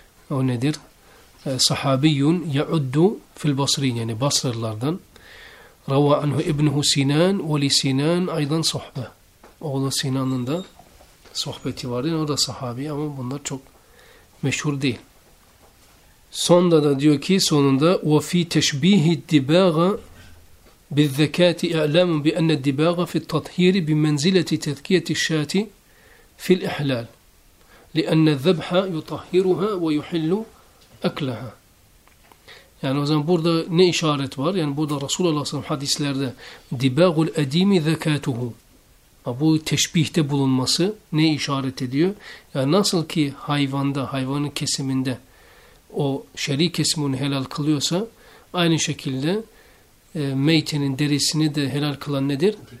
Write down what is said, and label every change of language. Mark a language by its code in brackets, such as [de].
[tr] O nedir? [ar] Sahabiyyun ya'uddu fil Basri'in, [tr] yani Basrılardan. [ar] Ravva anhu ibnuhu Sinan ve li Sinan aydan sohbe. [tr] Oğlu Sinan'ın da sohbeti var. Yani o da sahabi ama bunlar çok meşhur değil. Sonda da diyor ki sonunda [ar] وَفِي تَشْبِيهِ الدِّبَاغَ بِالذَّكَاتِ اَعْلَامٌ بِأَنَّ الدِّبَاغَ فِي التَّطْهِيرِ بِمَنْزِلَةِ تَذْكِيَةِ الشَّاتِ فِي الْإِحْلَالِ لِأَنَّ الذَّبْحَ يُطَهِّرُهَا وَيُحِلُّ أَكْلَهَا. [tr] Yani o zaman burada ne işaret var? Yani burada Resulullah s.a.v. hadislerde [ar] دِبَاغُ الْاَد۪يمِ ذَكَاتُهُ, [tr] bu teşbihte bulunması ne işaret ediyor? Yani nasıl ki hayvanda, hayvanın kesiminde o şer'i kesimini helal kılıyorsa, aynı şekilde meytenin derisini de helal kılan nedir?